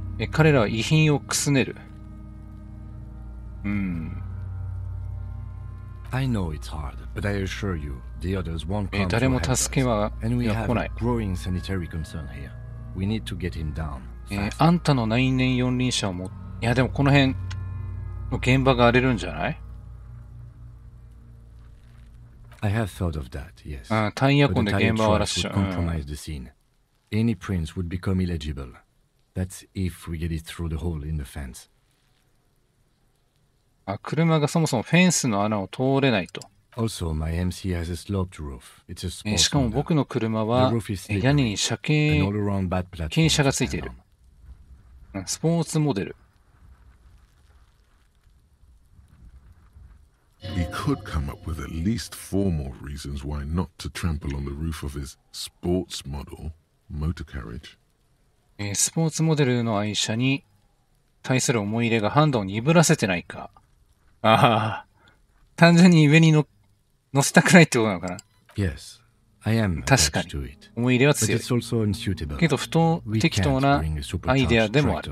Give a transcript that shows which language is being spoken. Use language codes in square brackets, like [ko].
[ja] 彼らは遺品をくすねる。 [en] I know it's hard, but I assure you, the others won't come. [ja] 誰も助けは来ない。 [en] And we have a growing sanitary concern here. We need to get him down. [ja] あんたの内燃四輪車をも、いやでもこの辺の現場が荒れるんじゃない [en] ？I have thought of that, yes. [ja] タイヤ痕で現場を荒らしちゃう。 [en] Compromise the scene. Any prints would become illegible. That's if we get it through the hole in the fence. [ja] 車がそもそもフェンスの穴を通れないと。 [en] Also, my MC has a sloped roof. It's a sports car. [ja] しかも僕の車は屋根に車検、傾斜がついている。スポーツモデル。 [en] He could come up with at least four more reasons why not to trample on the roof of his sports model motor carriage. [ja] スポーツモデルの愛車に対する思い入れがハンドを鈍らせてないか。単純に上に乗せたくないってことなのかな。 [en] Yes. I am [ja] 確かに思い入れは強い。けど不当適当なアイデアでもある。